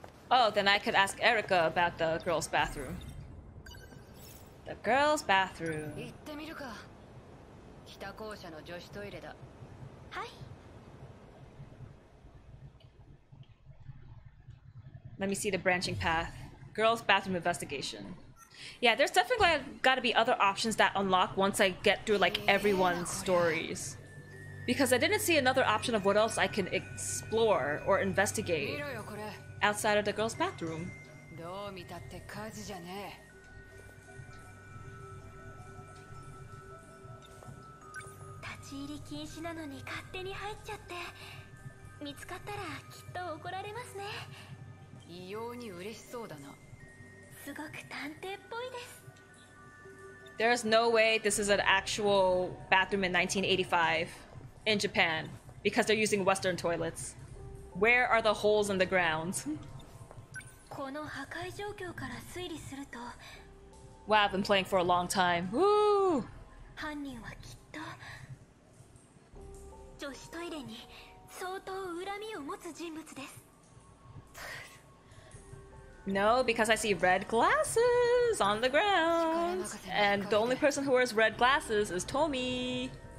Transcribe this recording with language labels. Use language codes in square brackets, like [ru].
[en] Oh, then I could ask Erica about the girls' bathroomThe girls' bathroom. [ja] 行ってみるか。北校舎の女子トイレだ。はい。 [en] Let me see the branching path. Girls' bathroom investigation. Yeah, there's definitely got to be other options that unlock once I get through like everyone's stories. Because I didn't see another option of what else I can explore or investigate outside of the girls' bathroom. [ja] どう見たって火事じゃねえ。ち入り禁止なのに勝手に入っちゃって、見つかったらきっと怒られますね。異様に嬉しそうだな。すごく探偵っぽいです。 [en] There's no way this is an actual bathroom in 1985 in Japan because they're using Western toilets. Where are the holes in the ground? [ja] この破壊状況から推理すると、 [en] Wow, I've been playing for a long time. Woo! [ja] 犯人はきっと女子トイレに相当恨みを持つ人物です。 [en] No, because I see red glasses on the ground. And the only person who wears red glasses is Tomi.